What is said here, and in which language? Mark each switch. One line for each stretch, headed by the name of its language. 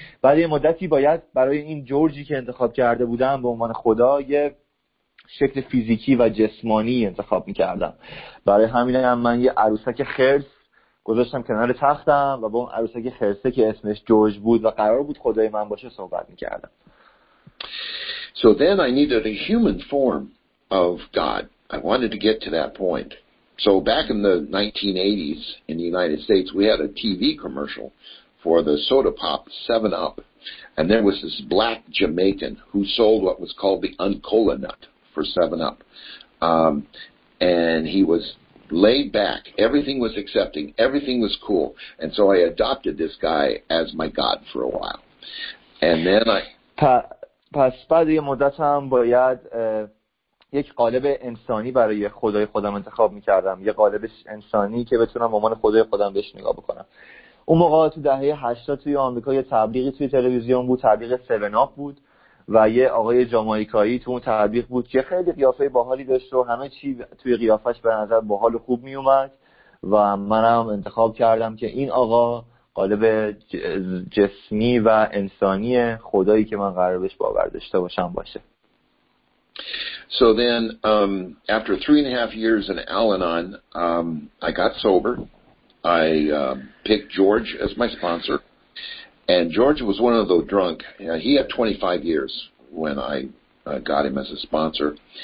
Persian: بعد یه مدتی باید برای این جورجی که انتخاب کرده بودم به عنوان خدا یه شکل فیزیکی و جسمانی انتخاب می‌کردم. برای همینم من یه عروسک خرس گذاشتم کنار تختم و با اون عروسک خرسه که اسمش جورج بود و قرار بود خدای من باشه صحبت می‌کردم.
English: So then I needed a human form of God. I wanted to get to that point. So back in the 1980s in the United States, we had a TV commercial for the soda pop 7-Up, and there was this black Jamaican who sold what was called the Uncola Nut for 7-Up. And he was laid back. Everything was accepting. Everything was cool. And so I adopted this guy as my God for a while. And then I...
Persian: پس بعد یه مدت هم باید یک قالب انسانی برای خدای خودم انتخاب میکردم، یه قالب انسانی که بتونم به عنوان خدای خودم بهش نگاه بکنم. اون موقع تو دهه 80 توی آمریکا یه تبلیغی توی تلویزیون بود، تبلیغ 7-Up بود، و یه آقای جامائیکایی تو اون تبلیغ بود که خیلی قیافه باحالی داشت و همه چی توی قیافش به نظر باحال و خوب میومد، و منم انتخاب کردم که این آقا قالب جسمی و انسانی خدایی که من قرار بهش باور داشته باشم باشه.
English: So then, after 3.5 years in Al-Anon, I got sober. I picked George as my sponsor. And George was one of those drunk. You know, he had 25 years when I got him as a sponsor.